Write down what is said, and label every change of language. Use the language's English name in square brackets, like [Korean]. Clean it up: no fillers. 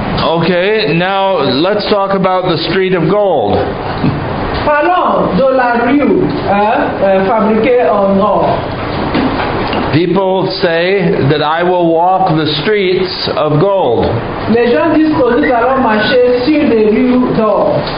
[English] Okay, now let's talk about the street of gold. [French] Parlons de la rue fabriquée en or. [English] People say that I will walk the streets of gold. [French] Les gens disent que nous allons marcher sur les rues d'or.